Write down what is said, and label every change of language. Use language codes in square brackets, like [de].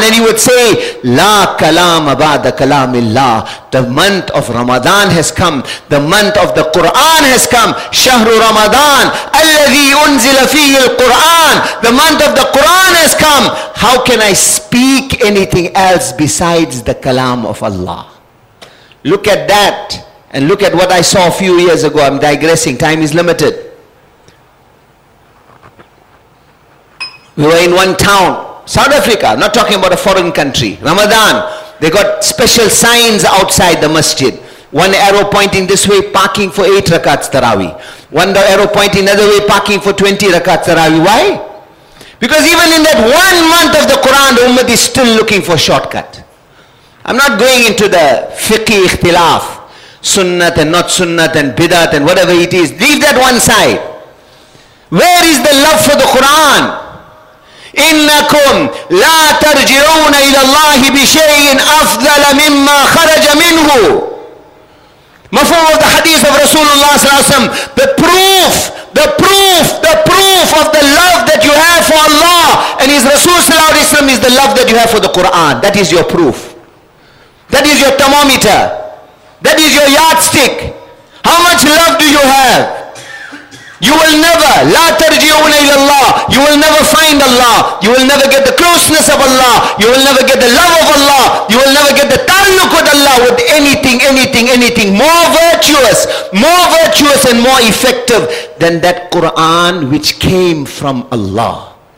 [en] And he would say, [ar] لا كلام بعد كلام الله. [en] The month of Ramadan has come. The month of the Quran has come. [ar] شهر رمضان الذي أنزل فيه القرآن. [en] The month of the Quran has come. How can I speak anything else besides the kalam of Allah? Look at that. And look at what I saw a few years ago. I'm digressing. Time is limited. We were in one town, South Africa, not talking about a foreign country. Ramadan, they got special signs outside the masjid. One arrow pointing this way, parking for 8 rakats tarawih. One arrow pointing another way, parking for 20 rakats tarawih. Why? Because even in that 1 month of the Quran, the Ummah is still looking for a shortcut. I'm not going into the fiqh ikhtilaf, sunnat and not sunnat and bidat and whatever it is. Leave that one side. Where is the love for the Quran? [ar] إنكم لا ترجعون إلى الله بشيء أفضل مما خرج منه. [en] مفهوم of the hadith of Rasulullah [ar] صلى الله عليه وسلم. [en] The proof of the love that you have for Allah and His Rasul صلى الله عليه وسلم is the love that you have for the Quran. That is your proof. That is your thermometer. That is your yardstick. How much love do you have? You will never, [ar] لا ترجعون إلى الله. [en] You will never find Allah. You will never get the closeness of Allah. You will never get the love of Allah. You will never get the taluk with Allah with anything more virtuous and more effective than that Quran which came from Allah.